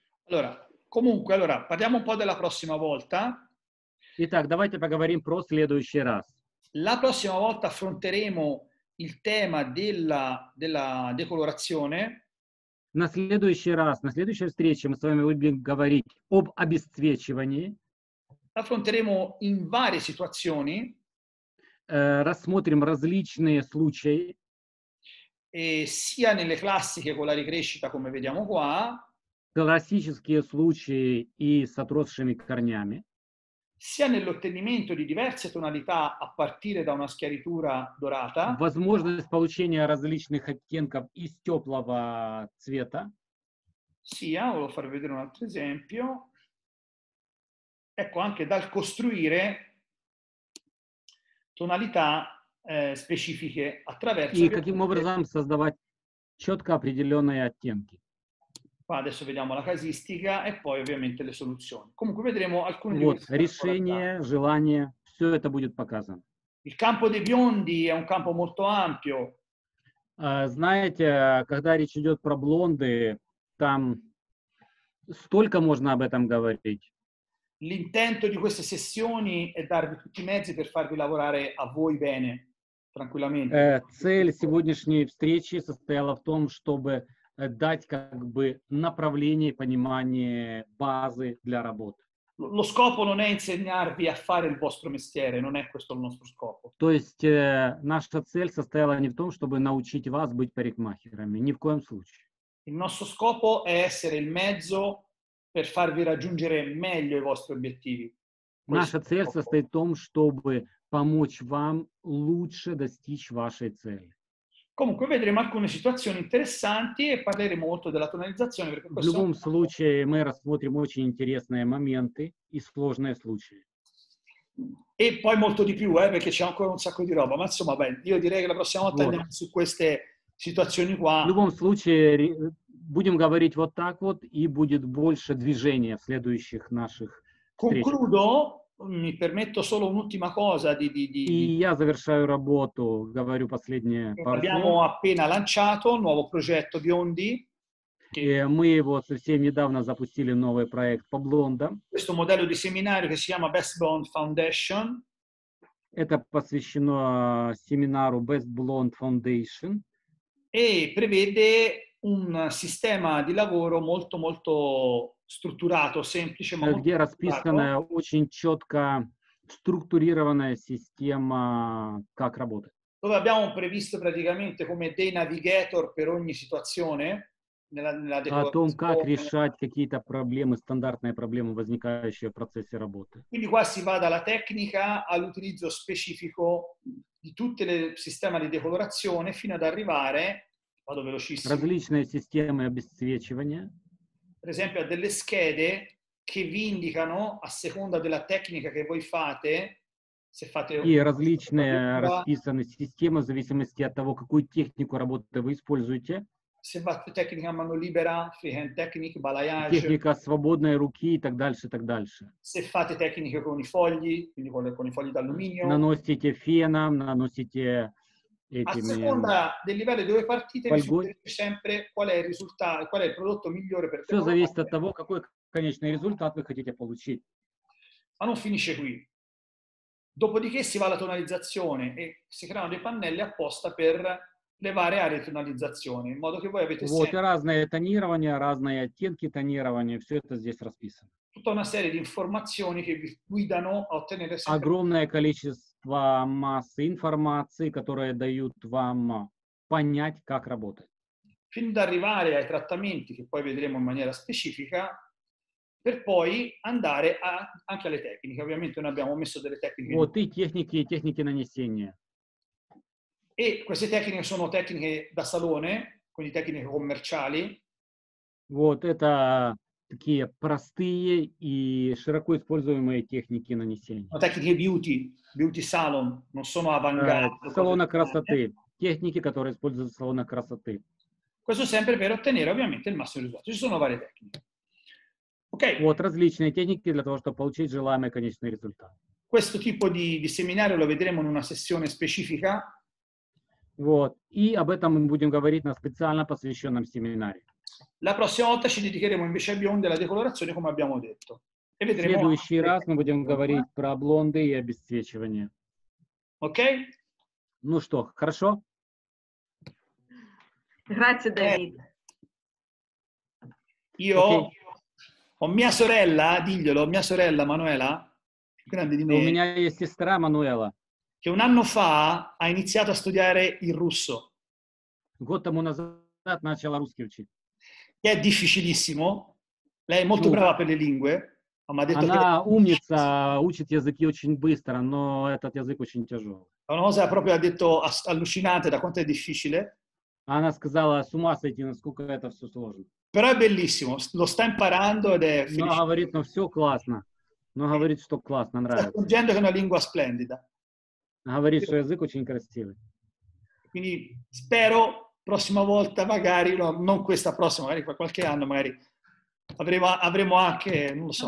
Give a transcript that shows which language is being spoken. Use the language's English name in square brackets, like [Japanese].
[Italian] Allora, comunque, allora, parliamo un po' della prossima volta. [Russian] Итак, давайте поговорим про следующий раз. [Italian] La prossima volta affronteremo il tema della decolorazione. [Russian] На следующий раз, на следующей встрече мы с вами будем говорить об обесцвечивании. [Italian] Affronteremo in varie situazioni. [Russian] Рассмотрим различные случаи. [Italian] E sia nelle classiche con la ricrescita, come vediamo qua. [Russian] Классические случаи и с отросшими корнями. [Italian] Sia nell'ottenimento di diverse tonalità a partire da una schiaritura dorata. [Russian] Возможность получения различных оттенков из теплого цвета. [Italian] Sia, volevo far vedere un altro esempio. Ecco, anche dal costruire tonalità specifiche attraverso... [Russian] И каким образом создавать четко определенные оттенки. [Italian] Qua adesso vediamo la casistica e poi ovviamente le soluzioni. Comunque vedremo alcune [Russian] вот, решение, желание, все это будет показано. [Italian] Il campo dei biondi è un campo molto ampio. [Russian] Знаете, когда речь идет про блонды, там столько можно об этом говорить. [Italian] L'intento di queste sessioni è darvi tutti i mezzi per farvi lavorare a voi bene, tranquillamente. [Russian] Цель сегодняшней встречи состояла в том, чтобы дать как бы направление, понимание базы для работы. [Italian] Lo scopo non è insegnarvi a fare il vostro mestiere, non è questo il nostro scopo. [Russian] То есть наша цель состояла не в том, чтобы научить вас быть парикмахерами, ни в коем случае. [Italian] Il nostro scopo è essere il mezzo per farvi raggiungere meglio i vostri obiettivi. [Russian] Наша цель состоит в том, чтобы помочь вам лучше достичь вашей цели. [Italian] Comunque vedremo alcune situazioni interessanti e parleremo molto della tonalizzazione. Perché questo... [Russian] In любом случае мы рассмотрим очень интересные моменты и сложные случаи. [Italian] E poi molto di più, perché c'è ancora un sacco di roba. Ma insomma, beh, io direi che la prossima volta andiamo su queste situazioni qua. [Russian] В любом случае будем говорить вот так вот и будет больше движения в следующих наших встречах. [Italian] Concludo. Mi permetto solo un'ultima cosa di... [Russian] И я завершаю работу, говорю последнее. [Italian] Abbiamo appena lanciato un nuovo progetto Biondi. Che... [Russian] Мы его совсем недавно запустили новый проект по блондам. [Italian] Questo modello di seminario che si chiama Best Blonde Foundation. [Russian] Это посвящено семинару Best Blonde Foundation. [Italian] E prevede un sistema di lavoro molto molto strutturato, semplice, ma [Russian] где расписана очень четко структурированная система как работать. [Italian] Dove abbiamo previsto praticamente come dei navigator per ogni situazione nella [Russian] о том, как решать какие-то проблемы, стандартные проблемы, возникающие в процессе работы. [Italian] Quindi qua si va dalla tecnica all'utilizzo specifico di tutti i sistemi di decolorazione fino ad arrivare, vado velocissimo, [Russian] различные системы обесцвечивания. [Italian] Per esempio, ha delle schede che vi indicano, a seconda della tecnica che voi fate, se fate... [Russian] И различные расписаны системы в зависимости от того, какую технику работы вы используете. [Italian] Se fate tecnica mano libera, [English] freehand technique, [Italian] balayage. [Russian] Техника свободной руки и так дальше, так дальше. [Italian] Se fate tecnica con i fogli, quindi con i fogli d'alluminio. [Russian] Наносите феном, наносите... Этими, [Italian] a seconda del livello dove partite, risulterete sempre qual è il risultato, qual è il prodotto migliore per te. [Russian] Зависит от того, какой конечный результат вы хотите получить. [Italian] Ma non finisce qui. Dopodiché si va alla tonalizzazione e si creano dei pannelli apposta per le varie aree di tonalizzazione, in modo che voi avete [Russian] вот, [Italian] sempre... [Russian] разные тонирования, разные оттенки тонирования, все это здесь расписано. [Italian] Tutta una serie di informazioni che vi guidano a ottenere sempre... [Russian] Огромное количество массы информации, которые дают вам понять, как работать. [Italian] Fin da arrivare ai trattamenti che poi vedremo in maniera specifica, per poi andare a, anche alle tecniche. Ovviamente noi abbiamo messo delle tecniche. [Russian] Вот и техники, техники нанесения. [Italian] E queste tecniche sono tecniche da salone, quindi tecniche commerciali. [Russian] Вот это такие простые и широко используемые техники нанесения. Но такие [English] beauty, beauty salon, [Russian] но [Italian] sono avanguardia. [Russian] Салона красоты. Техники, которые используются в салонах красоты. [Italian] Questo sempre per ottenere, ovviamente, il massimo risultato. Ci sono varie tecniche. Okay. [Russian] Вот различные техники для того, чтобы получить желаемый конечный результат. [Italian] Questo tipo di seminario lo vedremo in una sessione specifica. [Russian] Вот. И об этом мы будем говорить на специально посвященном семинаре. [Italian] La prossima volta ci dedicheremo invece ai biondi e alla decolorazione, come abbiamo detto. E vedremo. [Russian] В следующий раз мы будем говорить про блонды и обесцвечивание. Окей? Okay? Ну что, хорошо? [Italian] Grazie, David. Io ho mia sorella, diglielo, mia sorella Manuela, grande di me. [Russian] У меня есть сестра Мануэла. [Italian] Che un anno fa ha iniziato a studiare il russo. [Russian] Год тому назад начала русский учить. [Italian] Che è difficilissimo. Lei è molto brava per le lingue, ma mi ha detto [Russian] она умница, учит языки очень быстро, но этот язык очень тяжелый. [Italian] Una cosa proprio ha detto allucinante da quanto è difficile. [Russian] Она сказала, с ума сойти, насколько это все сложно. [Italian] Però è bellissimo, lo sta imparando ed è felice. [Russian] Но говорит, ну все классно. Но говорит, что классно, нравится. [Italian] Sta aggiungendo che è una lingua splendida. [Russian] Говорит, что язык очень красивый. [Italian] Quindi spero prossima volta, magari, no, non questa prossima, magari qualche anno, magari avremo anche, non lo so.